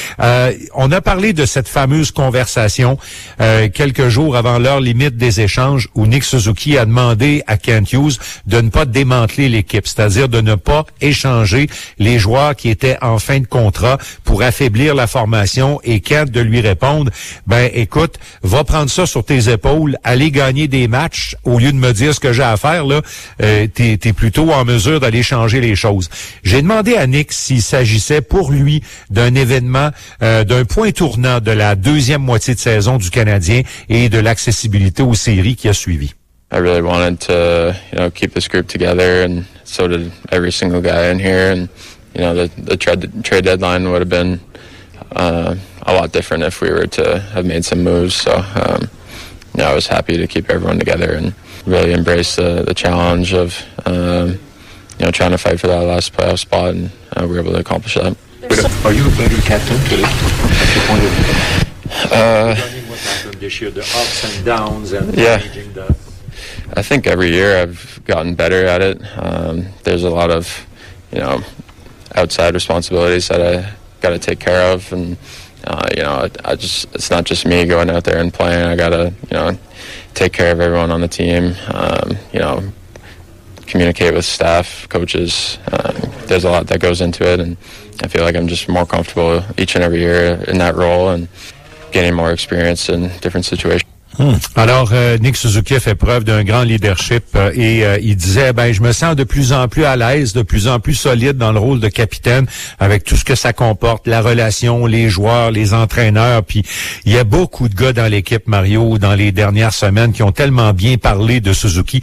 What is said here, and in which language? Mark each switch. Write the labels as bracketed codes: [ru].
[fr] On a parlé de cette fameuse conversation quelques jours avant l'heure limite des échanges, où Nick Suzuki a demandé à Kent Hughes de ne pas démanteler l'équipe, c'est-à-dire de ne pas échanger les joueurs qui étaient en fin de contrat pour affaiblir la formation, et Kent de lui répondre, ben écoute, va prendre ça sur tes épaules, allez gagner des matchs au lieu de me dire ce que j'ai à faire, là, t'es plutôt en mesure d'aller changer les choses. J'ai demandé à Nick s'il s'agissait pour lui d'un événement, d'un point tournant de la deuxième moitié de saison du Canadien et de l'accessibilité aux séries qui a suivi. [en] I really wanted to, you know, keep this group together, and so did every single guy in here, and you know, the trade deadline would have been a lot different if we were to have made some moves, so you know, I was happy to keep everyone together and really embrace the challenge of, you know, trying to fight for that last playoff spot, and we were able to accomplish that. There's coup là. Are you a better captain today? What's your point of view? Yeah. I think every year I've gotten better at it. There's a lot of, you know, outside responsibilities that I got to take care of, and you know, it's not just me going out there and playing. I got to, you know, take care of everyone on the team. You know, communicate with staff, coaches. There's a lot that goes into it, and I feel like I'm just more comfortable each and every year in that role and getting more experience in different situations. [fr] Alors, Nick Suzuki fait preuve d'un grand leadership et il disait, ben, je me sens de plus en plus à l'aise, de plus en plus solide dans le rôle de capitaine avec tout ce que ça comporte, la relation, les joueurs, les entraîneurs. Puis, il y a beaucoup de gars dans l'équipe, Mario, dans les dernières semaines qui ont tellement bien parlé de Suzuki.